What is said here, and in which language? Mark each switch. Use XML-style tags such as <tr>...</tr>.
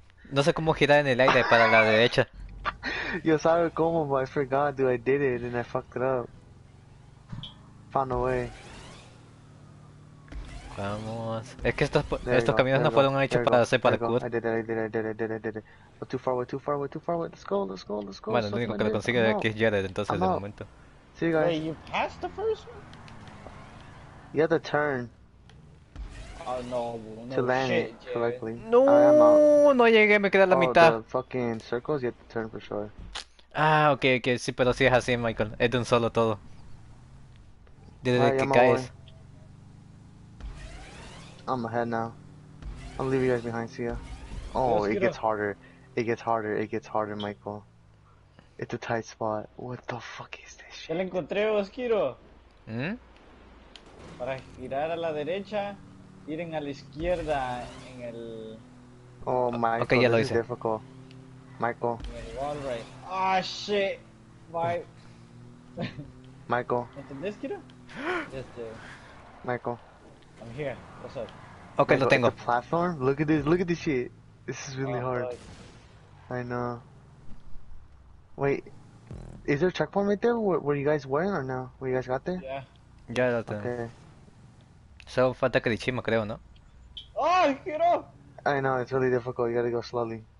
<es>No sé cómo girar en el aire para la derecha. Yo sabe cómo,</es> <en>but I forgot, dude. I did it and I fucked it up. Found a way. Vamos.</en> <es>Es que estos caminos no fueron hechos para hacer parkour.</es> <en>I did it. But too far away. Let's go.</en> <es>Bueno, lo único que lo consigue aquí es Jared, entonces, de momento.</es> <en>See you guys. Wait, you passed the first one? You have to turn. Oh no, bro. No, to land shit, it correctly.</en> <es>No, no llegué, me quedé a la mitad.</es> <en>The fucking circles, you have to turn for sure.</en> <es>Ah, ok, sí, pero sí es así, Michael. Es de un solo todo. Desde que caes.</es> <en>I'm ahead now. I'll leave you guys behind, see ya. Oh, it gets harder. It gets harder, Michael. It's a tight spot. What the fuck is this shit?</en> <es>Ya lo encontré, Oskiro. ¿Mm? Para girar a la derecha, giren a la izquierda en el...</es> <en>Oh, Michael,</en> <es>okay, ya lo hice.</es> <en>Difficult. Michael.</en> <es>En el</es> <en>wall right. Ah, oh, shit. Bye. Michael. ¿Entendés, Kiro? Este... Michael. I'm here. What's up?</en> <es>Okay, Michael, lo tengo.</es> <en>The platform? Look at this shit. This is really hard. God. I know. Wait, is there a checkpoint right there? Where you guys went or no? Where you guys got there? Yeah.</en> <es>Ya lo tengo.</es> <en>Okay. So,</en> <es>falta Kirishima, creo, ¿no?</es> <en>Oh, get off! I know, it's really difficult, you gotta go slowly.</en>